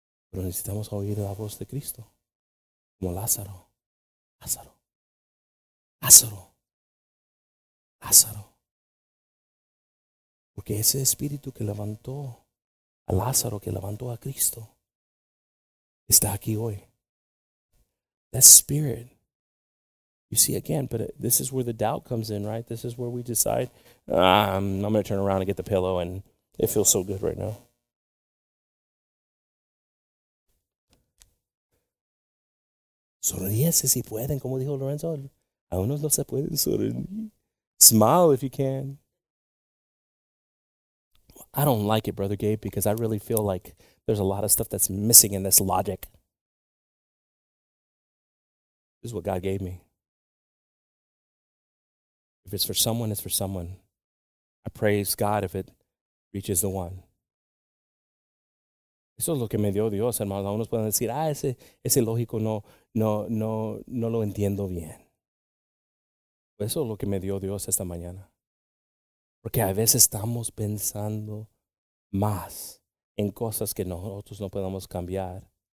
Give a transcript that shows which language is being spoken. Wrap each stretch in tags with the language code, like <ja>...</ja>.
<es>Pero necesitamos oír la voz de Cristo, como Lázaro. Lázaro. Lázaro. Lázaro. Porque ese espíritu que levantó a Lázaro, que levantó a Cristo, está aquí hoy.</es> <en>That spirit. You see, again, but this is where the doubt comes in, right? This is where we decide, I'm going to turn around and get the pillow, and it feels so good right now.</en> <es>Sonríe si pueden, como dijo Lorenzo. A unos no se pueden sonreír.</es> <en>Smile if you can. I don't like it, Brother Gabe, because I really feel like there's a lot of stuff that's missing in this logic. This is what God gave me. If it's for someone, it's for someone. I praise God if it reaches the one.</en> <es>Eso es lo que me dio Dios, hermanos. Algunos pueden decir, ese lógico no lo entiendo bien. Eso es lo que me dio Dios esta mañana. Porque a veces estamos pensando más en cosas que nosotros no podemos cambiar.</es>